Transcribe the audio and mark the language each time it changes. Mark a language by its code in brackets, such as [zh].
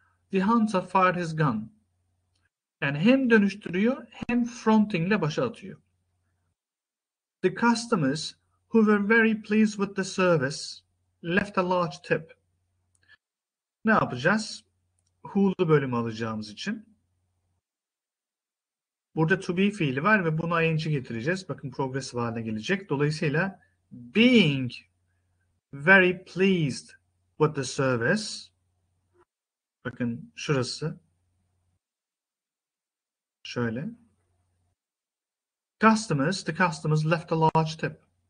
[en] The hunter fired his gun. [tr] Yani hem dönüştürüyor hem fronting ile başa atıyor. [en] The customers who were very pleased with the service left a large tip. [tr] Ne yapacağız? Who'lu bölümü alacağımız için. Burada to be fiili var ve bunu ing getireceğiz. Bakın progressive haline gelecek. Dolayısıyla [en] being very pleased with the service. [tr] Bakın şurası. Şöyle. [en] The customers left a large tip.